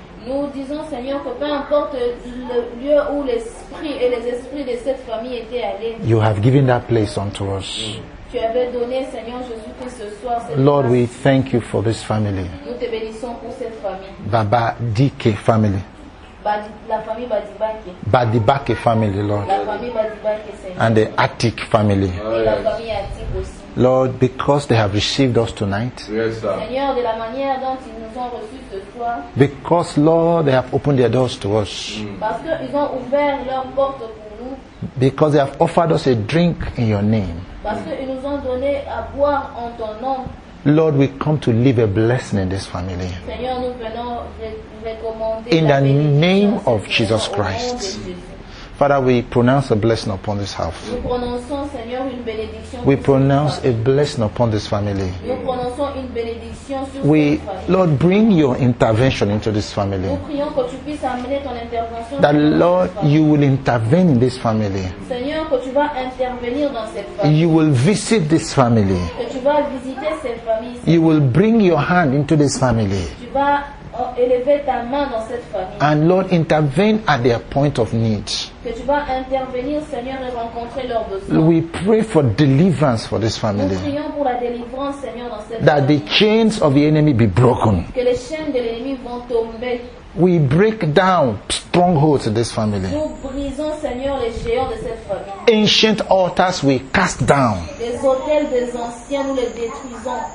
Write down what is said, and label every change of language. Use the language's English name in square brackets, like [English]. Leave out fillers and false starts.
[French] nous disons, Seigneur, que peu importe le lieu où l'esprit et les esprits de cette famille étaient allés, [English] you have given that place unto us. [French] Tu avais donné, Seigneur Jésus, que ce soir, [English] Lord, place. We thank you for this family. [French] Nous te bénissons pour cette famille. [English] Baba Dike family. [French] La famille Badibake. [English] Badibake family, Lord. [French] La famille Badibake, Seigneur. [English] And the Attic family. [French] Et la famille Attic aussi. [English] Lord, because they have received us tonight. Yes, sir. [French] Seigneur, de la manière dont ils nous ont reçus ce soir. [English] Because, Lord, they have opened their doors to us. Mm. [French] Parce que ils ont ouvert leurs portes pour nous. [English] Because they have offered us a drink in your name. [French] Parce que ils nous ont donné à boire en ton nom. [English] Lord, we come to leave a blessing in this family. [French] Seigneur, nous venons recommander [English] in the name of Jesus Christ. Father, we pronounce a blessing upon this house. [French] Nous prononçons, Seigneur, une bénédiction. [English] We pronounce a blessing upon this family. [French] Nous prononçons une bénédiction sur [English] we, [French] cette famille. [English] Lord, bring your intervention into this family. [French] Nous prions que tu puisses amener ton intervention [English] that, Lord, you will intervene in this family. [French] Seigneur, que tu vas intervenir dans cette famille. [English] You will visit this family. [French] Que tu vas visiter cette famille. [English] You will bring your hand into this family. [French] Tu vas élever ta main dans cette famille. [English] And Lord, intervene at their point of need. [French] Que tu vas intervenir, Seigneur, et rencontrer leurs besoins. [English] We pray for deliverance for this family. [French] Nous prions pour la délivrance, Seigneur, dans cette [English] that [French] famille. [English] The chains of the enemy be broken. [French] Que les chaînes de l'ennemi vont tomber. [English] We break down strongholds in this family. [French] Nous brisons, Seigneur, les géants de cette famille. [English] Ancient altars we cast down. [French] Les autels des anciens, nous les détruisons.